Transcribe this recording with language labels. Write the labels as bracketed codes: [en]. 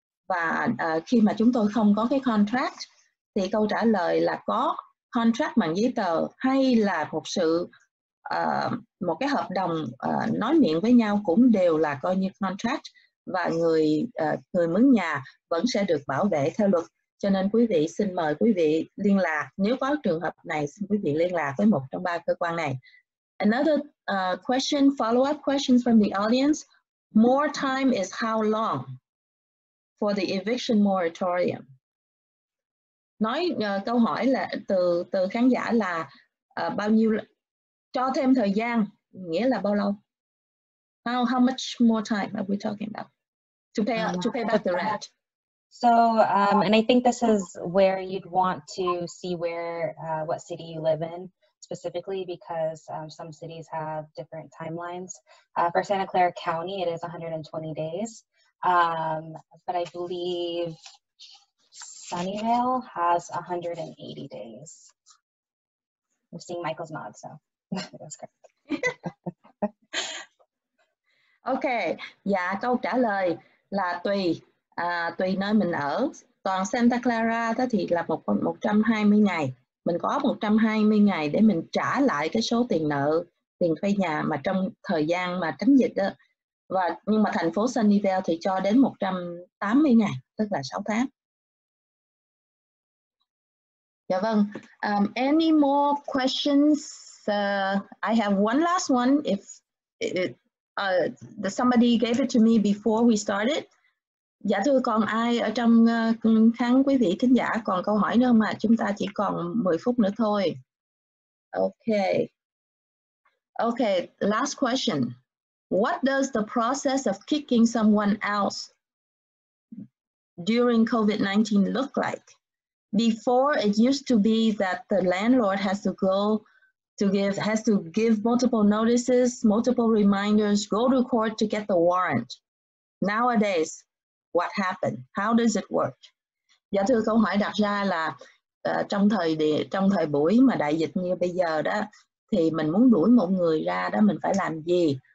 [vi] Và khi mà chúng tôi không có cái contract, thì câu trả lời là có contract bằng giấy tờ hay là một sự một cái hợp đồng nói miệng với nhau cũng đều là coi như contract và người người mướn nhà vẫn sẽ được bảo vệ theo luật. Cho nên quý vị xin mời quý vị liên lạc, nếu có trường hợp này xin quý vị liên lạc với một trong ba cơ quan này. [en] Another question, follow up questions from the audience. More time is how long for the eviction moratorium? [vi] Nói câu hỏi là từ khán giả là bao nhiêu cho thêm thời gian nghĩa là bao lâu? [en] How much more time are we talking about to pay back the rent? So and I think this is where you'd want to see where what city you live in specifically, because some cities have different timelines. For Santa Clara County, it is 120 days, but I believe Sunnyvale has 180 days. I'm seeing Michael's nod, so that's great. [vi] Okay, dạ câu trả lời là tùy nơi mình ở. Toàn Santa Clara đó thì là 120 ngày. Mình có 120 ngày để mình trả lại cái số tiền nợ, tiền thuê nhà mà trong thời gian mà tránh dịch đó. Và nhưng mà thành phố Sunnyvale thì cho đến 180 ngày, tức là 6 tháng. Dạ vâng. [en] Any more questions? I have one last one. If somebody gave it to me before we started. [vi] Dạ thưa, còn ai ở trong khán quý vị thính giả còn câu hỏi nữa không ạ? Chúng ta chỉ còn 10 phút nữa thôi. Okay. [en] Okay, last question. What does the process of kicking someone else during COVID-19 look like? Before, it used to be that the landlord has to go to give, has to give multiple notices, multiple reminders, go to court to get the warrant. Nowadays, what happened? How does it work? [vi] Dạ thưa, câu hỏi đặt ra là trong thời buổi mà đại dịch như bây giờ đó, thì mình muốn đuổi một người ra đó, mình phải làm gì?